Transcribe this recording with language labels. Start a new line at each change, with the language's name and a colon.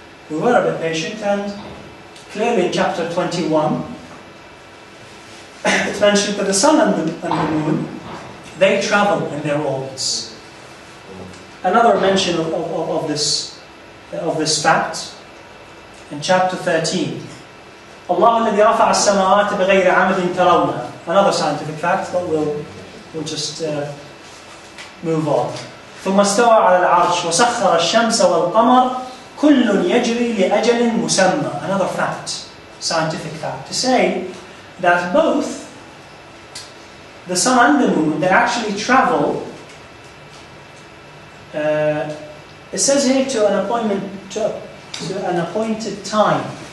English: We were a bit patient, and clearly in chapter 21, it's mentioned that the sun and the moon, they travel in their orbits. Another mention of this fact in chapter 13.
Arabic: Allah الذي رفع السماوات بغير عمد ترونه.
English: Another scientific fact, but we'll just move on.
Arabic: ثم استوى على العرش وسخر الشمس والقمر كُلٌّ يَجْرِي لِأَجَلٍ مُسَمَّى.
English: Another fact, scientific fact, to say that both the sun and the moon, they actually travel, it says here, to an appointment, to an appointed time.